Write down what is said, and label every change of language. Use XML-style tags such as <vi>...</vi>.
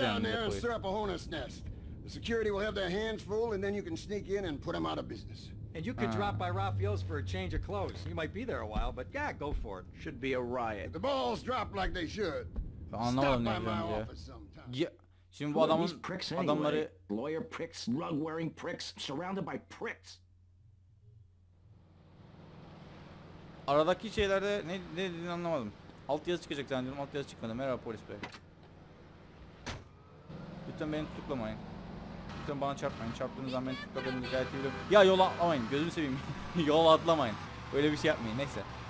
<en>Head on down there and stir up a hornet's nest. The security will have their hands full, and then you can sneak in and put them out of business. And you could drop by Raphael's for a change of clothes. You might be there a while, but yeah, go for it. Should be a riot. The balls drop like they should.</en> <tr>Anlamadım ne diyorum diye. Ya, şimdi bu adamları...</tr> <en>Lawyer pricks, rug wearing pricks, surrounded by pricks.</en> <tr>Aradaki şeylerde ne dediğini anlamadım. Altyazı çıkacak zannediyorum, altyazı çıkmadı. Merhaba polis bey. Lütfen beni tutuklamayın. lütfen bana çarpmayın. Çarptığınız zaman ben tutkalarınızı gayet iyi biliyorum. Ya yola atlamayın, gözünü seveyim. Yola atlamayın. Öyle bir şey yapmayın, neyse.</tr>